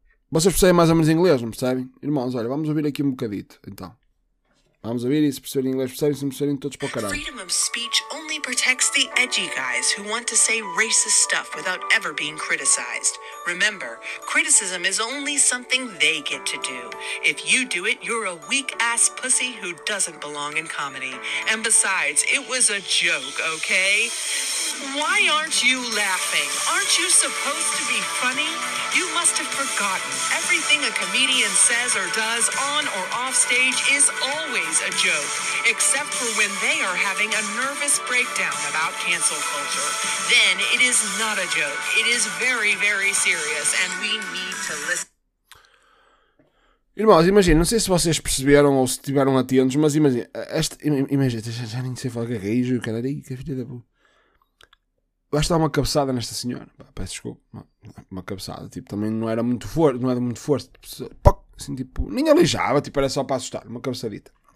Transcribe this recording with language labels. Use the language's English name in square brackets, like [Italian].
[Portuguese] Vocês percebem mais ou menos inglês, não percebem? Irmãos, olha, vamos ouvir aqui um bocadito, então. Vamos ouvir e se perceberem inglês, percebem, se perceberem todos para o caralho. [English] Freedom of speech only protects the edgy guys who want to say racist stuff without ever being criticized. Remember, criticism is only something they get to do. If you do it, you're a weak-ass pussy who doesn't belong in comedy. And besides, it was a joke, okay? Why aren't you laughing? Aren't you supposed to be funny? You must have forgotten. Everything a comedian says or does on or off stage is always a joke, except for when they are having a nervous breakdown about cancel culture. Then it is not a joke. It is very, very serious, and we need to listen. [Portuguese] Irmãos, imagina, não sei se vocês perceberam ou se estiveram atentos, mas imagina, já nem sei falar garrejo, caralho, que filha da puta. Basta uma cabeçada nesta senhora. Pá, peço desculpa. Uma cabeçada. Tipo, também não era muito força. Não era muito força. Tipo, poc, assim, tipo, nem aleijava. Tipo, era só para assustar. Uma cabeçadita.